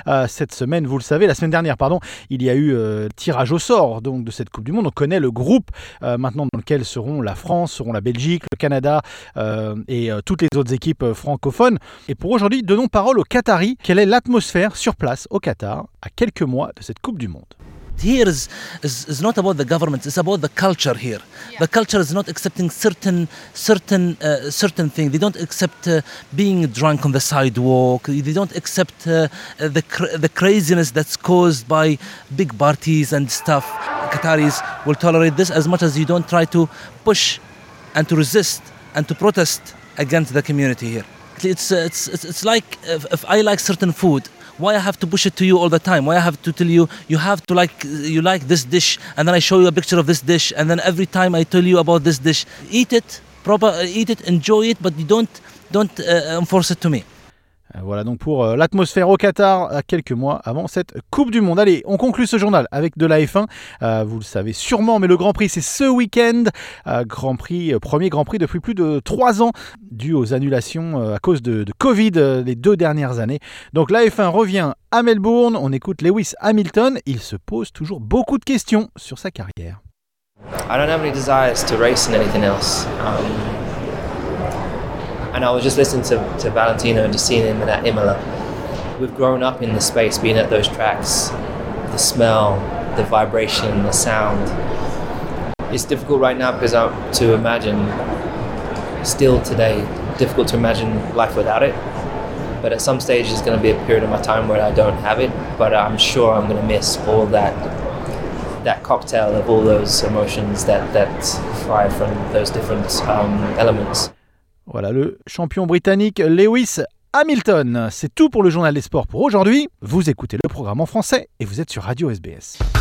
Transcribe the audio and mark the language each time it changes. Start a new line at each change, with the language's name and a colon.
French: Cette semaine, vous le savez, la semaine dernière, pardon, il y a eu tirage au sort donc, de cette Coupe du Monde. On connaît le groupe maintenant dans lequel seront la France, seront la Belgique, le Canada et toutes les autres équipes francophones. Et pour aujourd'hui, donnons parole aux Qataris. Quelle est l'atmosphère sur place au Qatar à quelques mois de cette Coupe du Monde ?
English: Here is not about the government, it's about the culture here. Yeah. The culture is not accepting certain things. They don't accept being drunk on the sidewalk. They don't accept the craziness that's caused by big parties and stuff. Qataris will tolerate this as much as you don't try to push and to resist and to protest against the community here. It's like if I like certain food, why I have to push it to you all the time? Why I have to tell you, you have to like this dish, and then I show you a picture of this dish, and then every time I tell you about this dish, eat it, enjoy it, but you don't enforce it to me.
French: Voilà donc pour l'atmosphère au Qatar à quelques mois avant cette Coupe du Monde. Allez, on conclut ce journal avec de la F1. Vous le savez sûrement, mais le Grand Prix, c'est ce week-end. Grand Prix, premier Grand Prix depuis plus de 3 ans, dû aux annulations à cause de Covid les deux dernières années. Donc la F1 revient à Melbourne. On écoute Lewis Hamilton. Il se pose toujours beaucoup de questions sur sa carrière.
English: I don't have any desires to race in anything else. And I was just listening to Valentino and just seeing him at Imola. We've grown up in the space, being at those tracks, the smell, the vibration, the sound. It's difficult right now because to imagine, still today, difficult to imagine life without it. But at some stage, there's going to be a period of my time where I don't have it. But I'm sure I'm going to miss all that cocktail of all those emotions that fly from those different elements.
French: Voilà le champion britannique Lewis Hamilton. C'est tout pour le journal des sports pour aujourd'hui. Vous écoutez le programme en français et vous êtes sur Radio SBS.